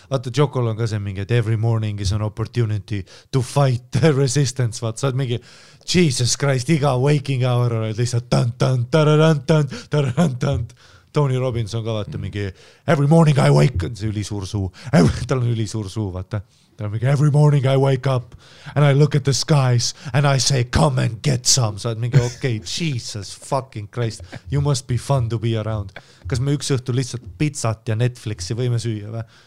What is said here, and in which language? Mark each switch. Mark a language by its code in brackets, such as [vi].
[et] Vaata, jokol on ka see mingi, et [en] every morning is an opportunity to fight the resistance. [et] Vaata, sa oled mingi, Jesus Christ, iga [en] waking hour [et] on lihtsalt tan-tan, tararantan, tararantan. Tony Robbins on ka vaata mingi, [en] every morning I wake up. [et] See ülisuur suu. Tal on ülisuur suu, vaata. [en] Every morning I wake up and I look at the skies and I say, come and get some. [et] Sa oled mingi, okei, [en] Jesus fucking Christ, you must be fun to be around. [et] Kas me üks õhtu lihtsalt pizzat ja Netflixi võime süüa või?